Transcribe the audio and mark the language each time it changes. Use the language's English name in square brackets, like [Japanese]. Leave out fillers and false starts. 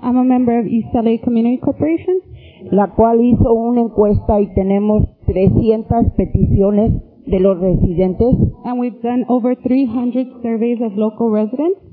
[English] I'm a member of East LA Community Corporation. [Spanish] La cual hizo una encuesta y tenemos 300 peticiones de los residentes. [English] And we've done over 300 surveys of local residents.